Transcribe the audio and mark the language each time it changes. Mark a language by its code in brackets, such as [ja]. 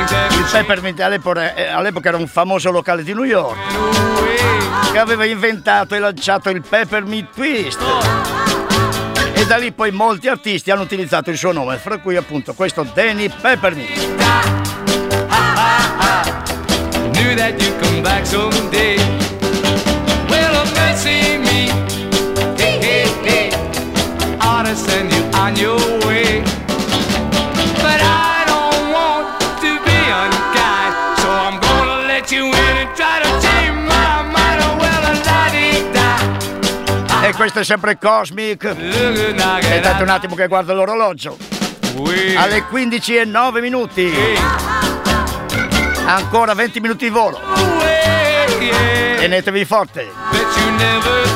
[it] Il Peppermint all'epoca era un famoso locale di New York che aveva inventato e lanciato il Peppermint Twist. E da lì poi molti artisti hanno utilizzato il suo nome, fra cui appunto questo Danny Peppermint. [en] Knew that you'd come back someday. Well, I'm missing me. Hey, hey, hey. Ought to send you on your way. But I don't want to be unkind, so I'm gonna let you in and try to change my mind. Oh, well, I'm la-di-da. [it] E questo è sempre Cosmic. Aspettate un attimo che guardo l'orologio. Alle 15:09. Ancora 20 minuti di volo. Tenetevi forte.